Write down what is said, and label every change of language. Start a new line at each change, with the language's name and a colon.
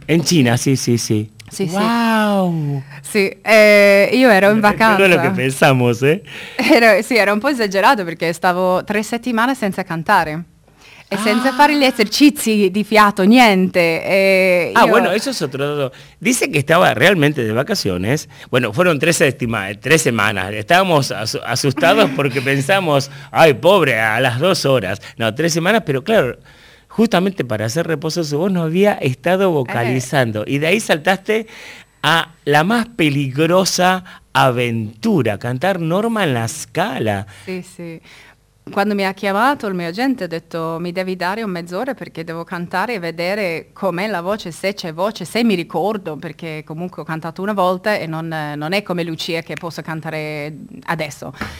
Italian: In Cina, sì, sì, sì. Sì, wow. Sì, io ero in vacanza. Quello che pensiamo, sì. Era un po' esagerato perché stavo 3 settimane senza cantare. E senza fare gli esercizi di fiato, niente.
Spanish: Ah, io... bueno, eso es otro dato. Dice que estaba realmente de vacaciones. Bueno, fueron tres semanas. Estábamos asustados porque pensamos, ay, pobre, a las dos horas. No, tres semanas, pero claro, justamente para hacer reposo su voz no había estado vocalizando. Y de ahí saltaste a la más peligrosa aventura, cantar Norma en la Scala. Sí, sí.
Italian: Quando mi ha chiamato il mio agente ha detto mi devi dare un mezz'ora perché devo cantare e vedere com'è la voce, se c'è voce, se mi ricordo, perché comunque ho cantato una volta e non è come Lucia che posso cantare adesso.